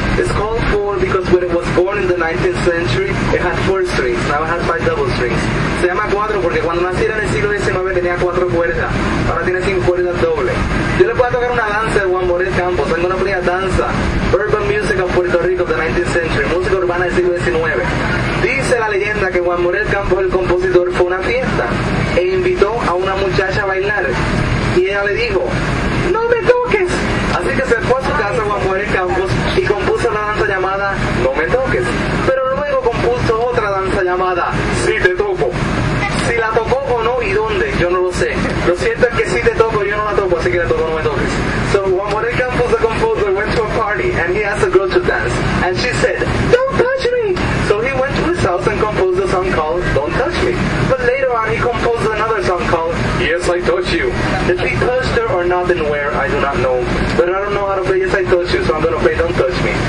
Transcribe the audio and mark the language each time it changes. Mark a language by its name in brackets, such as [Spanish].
[English] It's called four because when it was born in the 19th century, it had four strings. Now it has five double strings. [Spanish] Se llama cuatro porque cuando naciera en el siglo XIX tenía cuatro cuerdas. Ahora tiene cinco cuerdas doble. Yo le puedo tocar una danza de Juan Morel Campos. [English] I'm going to play a danza. Urban music of Puerto Rico of the 19th century. [Spanish] Música urbana del siglo XIX. Dice la leyenda que Juan Morel Campos, el compositor, fue a una fiesta e invitó a una muchacha a bailar. Y ella le dijo, ¡no me toques! Así que se fue a su casa Juan Morel Campos y compuso una danza llamada No me toques. Pero luego compuso otra danza llamada Sí te toco. Si la tocó o no y dónde, yo no lo sé. Lo cierto es que Sí te toco, yo no la toco, así que la toco No me toques. [English] So Juan Morel Campos, the composer, went to a party and he asked a girl to dance. And she said, Don't touch me! So he went to his house and composed a song called Don't Touch Me. But later on he composed another song called Yes, I Touch You. If he touched her or not and where, I do not know. But I don't know how to play Yes, I Touch You, so I'm going to play Don't Touch Me.